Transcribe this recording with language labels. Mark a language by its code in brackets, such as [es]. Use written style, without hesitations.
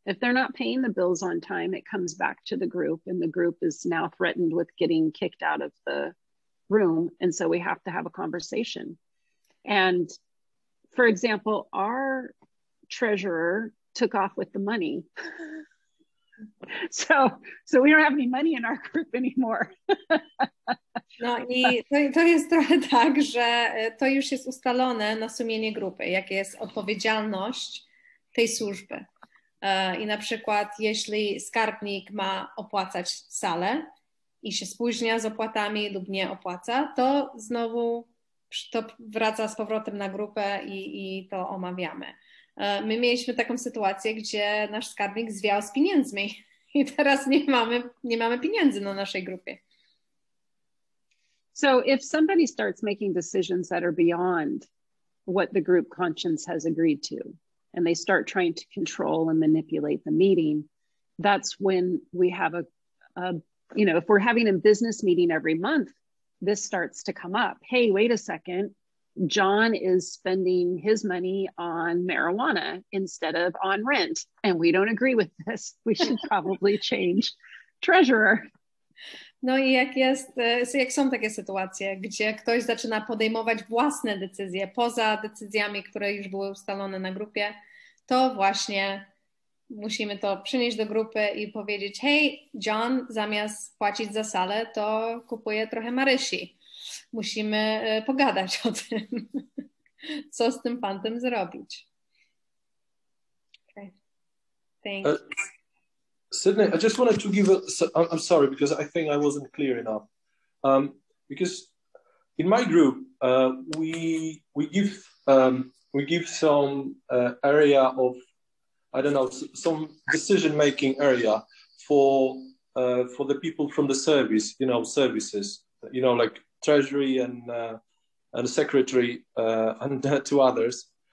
[en] If they're not paying the bills on time, it comes back to the group and the group is now threatened with getting kicked out of the room. And so we have to have a conversation. And for example, our treasurer took off with the money. So we don't have any money in our group anymore. [pl] No i to jest trochę tak, że to już jest ustalone na sumienie grupy, jaka jest odpowiedzialność tej służby. I na przykład, jeśli skarbnik ma opłacać salę, i się spóźnia z opłatami lub nie opłaca, to znowu to wraca z powrotem na grupę i to omawiamy. My mieliśmy taką sytuację, gdzie nasz skarbnik zwiał z pieniędzmi i teraz nie mamy pieniędzy na naszej grupie. [en] So if somebody starts making decisions that are beyond what the group conscience has agreed to, and they start trying to control and manipulate the meeting, that's when we have a, you know, if we're having a business meeting every month, this starts to come up. Hey, wait a second. John is spending his money on marijuana instead of on rent, and we don't agree with this. We should probably change treasurer. [pl] No i jak są takie sytuacje, gdzie ktoś zaczyna podejmować własne decyzje poza decyzjami, które już były ustalone na grupie, to właśnie musimy to przynieść do grupy i powiedzieć, hej, John, zamiast płacić za salę, to kupuje trochę Marysi. Musimy pogadać o tym, co z tym fantem zrobić. [en] Okay. Thank you. Sydney, I just wanted to give I'm sorry, because I think I wasn't clear enough. Because in my group, we give some area of, I don't know, some decision-making area for the people from the service, you know, services, you know, like treasury and secretary and to others.